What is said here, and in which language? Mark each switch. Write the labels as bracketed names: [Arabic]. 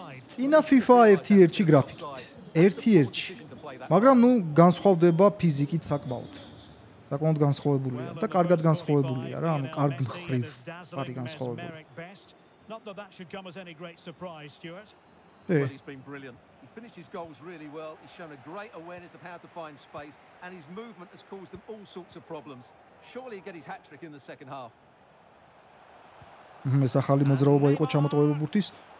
[Georgian] წინა FIFA 1-1-ში გრაფიკით. 1-1-ში. მაგრამ ну, განსხვავდება ფიზიკით საკმაოდ. საკმაოდ განსხვავებულია და კარგად განსხვავებულია რა, ანუ კარგ მხრივ არის განსხვავებული. [English] Not that that should come as any great surprise, Stuart. Hey. Well, he's been brilliant. He finished his goals really well. He's shown a great awareness of how to find space, and his movement has caused them all sorts of problems. Surely he'll get his hat-trick in the second half. [Georgian] ეს ახალი მოძრაობა იყო ჩამოტოვება ბურთის.